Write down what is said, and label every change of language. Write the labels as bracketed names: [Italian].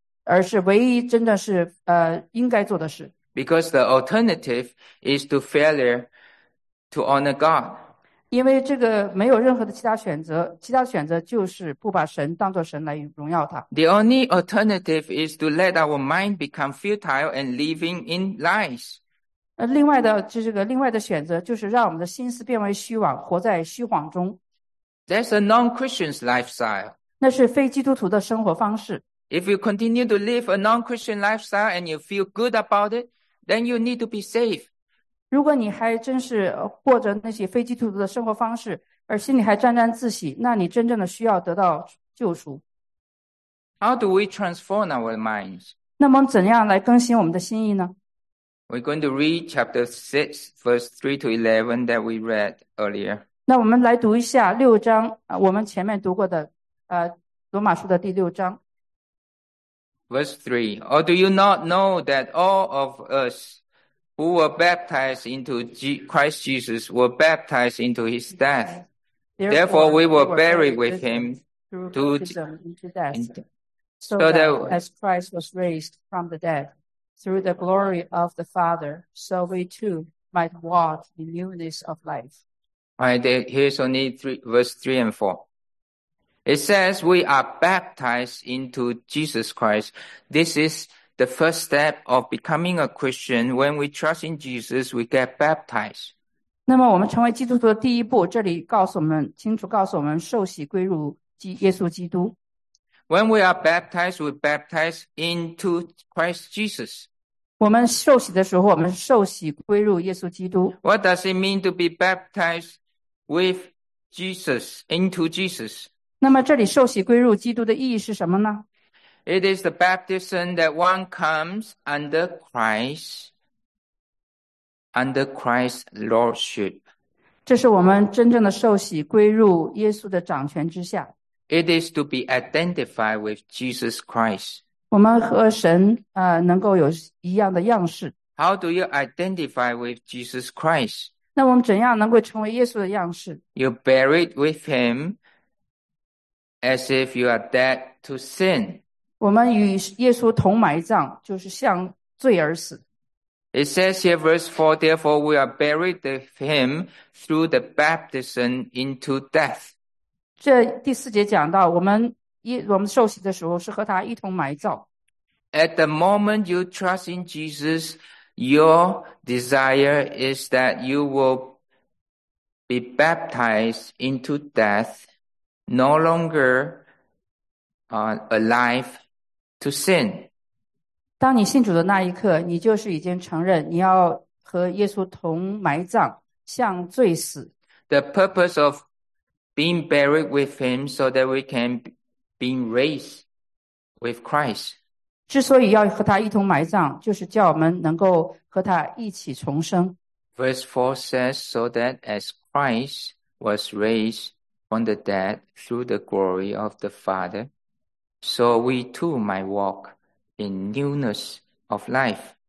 [Chinese] 而是唯一真的是应该做的事。 [English] Because the alternative is to failure to honor God. [Chinese] 因为这个没有任何的其他选择，其他选择就是不把神当作神来荣耀他。 [English] The only alternative is to let our mind become futile and living in lies. [Chinese] 另外的选择就是让我们的心思变为虚妄，活在虚谎中。 [English] That's a non-Christian's lifestyle. [Chinese] 那是非基督徒的生活方式。 [English] If you continue to live a non-Christian lifestyle and you feel good about it, then you need to be saved. [Chinese] 如果你还真是过着那些非基督徒的生活方式，而心里还沾沾自喜，那你真正的需要得到救赎。 [English] How do we transform our minds? [Chinese] 那么怎样来更新我们的心意呢？ [English] We're going to read chapter 6, verse 3 to 11 that we read earlier. [Chinese] 那我们来读一下六章，我们前面读过的，罗马书的第六章。 [English] Verse 3, or do you not know that all of us who were baptized into Christ Jesus were baptized into his death? Therefore, we were buried with him through baptism into death, so that as Christ was raised from the dead,through the glory of the Father, so we too might walk in newness of life. Right, here's only verse 3 and 4. It says we are baptized into Jesus Christ. This is the first step of becoming a Christian. When we trust in Jesus, we get baptized. [Chinese] 那么我们成为基督徒的第一步，这里告诉我们，清楚告诉我们，受洗归入耶稣基督。 [English] When we are baptized, we're baptized into Christ Jesus. [Chinese] 我们受洗的时候，我们受洗归入耶稣基督。 [English] What does it mean to be baptized with Jesus, into Jesus? [Chinese] 那么这里受洗归入基督的意义是什么呢？ [English] It is the baptism that one comes under Christ's lordship. [Chinese] 这是我们真正的受洗归入耶稣的掌权之下。 [English] It is to be identified with Jesus Christ. [Chinese] 我们和神能够有一样的样式。 [English] How do you identify with Jesus Christ? [Chinese] 那我们怎样能够成为耶稣的样式？ [English] You're buried with him as if you are dead to sin. [Chinese] 我们与耶稣同埋葬，就是向罪而死。 [English] It says here verse 4, therefore we are buried with him through the baptism into death. [Chinese] 这第四节讲到我们受洗的时候是和他一同埋葬。 [English] At the moment you trust in Jesus, your desire is that you will be baptized into death, no longer alive to sin. [Chinese] 当你信主的那一刻，你就是已经承认你要和耶稣同埋葬，向罪死。 [English] The purpose of being buried with him so that we can be raised with Christ. [Chinese] 之所以要和他一同埋葬，就是叫我们能够和他一起重生。 [English] Verse 4 says, so that as Christ was raised from the dead through the glory of the Father, so we too might walk in newness of life.